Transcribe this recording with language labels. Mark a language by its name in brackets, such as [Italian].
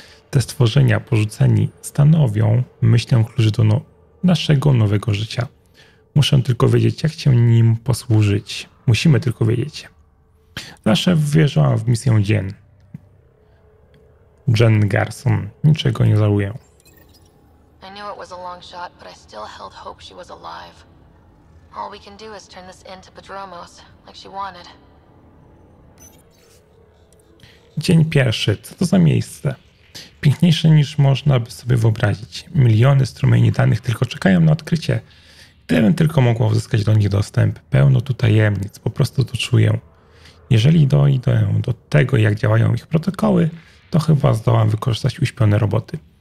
[Polish] Te stworzenia, porzuceni, stanowią, myślę, klucz do naszego nowego życia. Muszę tylko wiedzieć, jak się nim posłużyć. Musimy tylko wiedzieć. Zawsze wierzyłam w misję Jen. Jen Garson. Niczego nie żałuję. [English] I knew it was a long shot, but I still held hope she was alive. All we can do is turn this into Podromos, like she wanted. [Polish] Dzień pierwszy. Co to za miejsce? Piękniejsze niż można by sobie wyobrazić. Miliony strumieni danych tylko czekają na odkrycie. Gdybym tylko mogła uzyskać do nich dostęp. Pełno tu tajemnic, po prostu to czuję. Jeżeli dojdę do tego, jak działają ich protokoły, to chyba zdołam wykorzystać uśpione roboty.